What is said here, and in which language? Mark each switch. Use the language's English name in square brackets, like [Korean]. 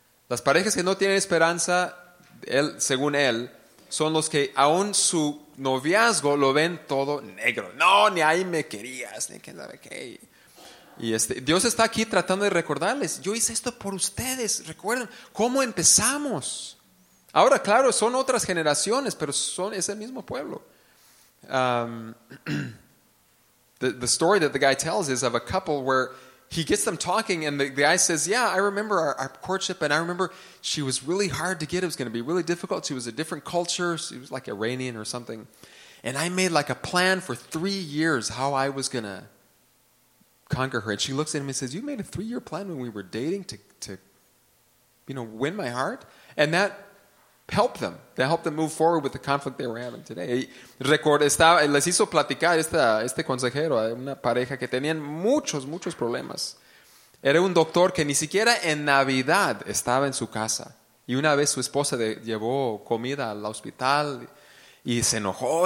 [Spanish] Las parejas que no tienen esperanza, según él, son los que aún su noviazgo lo ven todo negro. No, ni ahí me querías, ni quién sabe qué. Dios está aquí tratando de recordarles. Yo hice esto por ustedes. Recuerden cómo empezamos. Ahora, claro, son otras generaciones, pero son ese mismo pueblo. [English] The story that the guy tells is of a couple where he gets them talking and the guy says, yeah, I remember our courtship and I remember she was really hard to get. It was going to be really difficult. She was a different culture. She was like Iranian or something. And I made like a plan for 3 years how I was going to conquer her. And she looks at him and says, you made a 3-year plan when we were dating to, you know, win my heart? And that helped them. That helped them move forward with the conflict they were having today. [Spanish] Les hizo platicar este consejero, una pareja que tenían muchos, muchos problemas. Era un doctor que ni siquiera en Navidad estaba en su casa. Y una vez su esposa llevó comida al hospital y se enojó.